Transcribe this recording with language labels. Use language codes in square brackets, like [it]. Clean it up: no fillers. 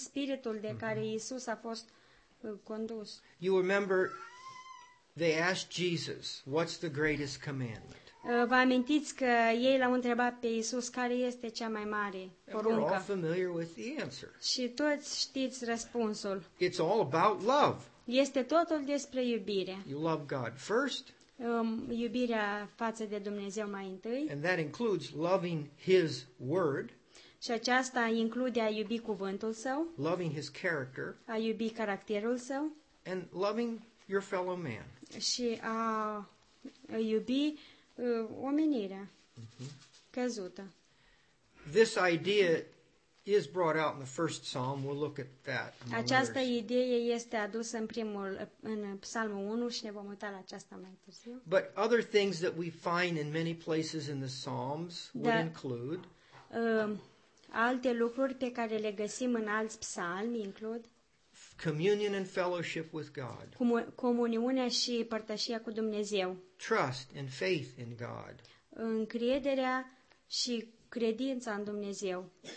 [ro] spiritul de care Iisus a fost condus. [en] You remember they asked Jesus, what's the greatest commandment? [ro] Vă amintiți că ei l-au întrebat pe Iisus care este cea mai mare poruncă? [en] We're all familiar with the answer. [ro] Și toți știți răspunsul. [en] It's all about love. [ro] Este totul despre iubire. [en] You love God first. [ro] Iubirea față de Dumnezeu mai întâi. [en] And that includes loving His word. [ro] Și aceasta include a iubi cuvântul Său. [en] Loving His character. [ro] A iubi caracterul Său. [en] And loving your fellow man. [ro] Și a iubi omenirea căzută. [en] This idea is brought out in the first psalm. We'll look at that. [ro] Această idee este adusă în primul, în Psalmul 1 și ne vom uita la aceasta mai târziu. [en] But other things that we find in many places in the Psalms would include [ro] alte lucruri pe care le găsim în alți psalmi includ [en] communion and fellowship with God. [ro] Comuniunea și părtășia cu Dumnezeu. [en] Trust and faith in God. [ro] Încrederea și credința în Dumnezeu.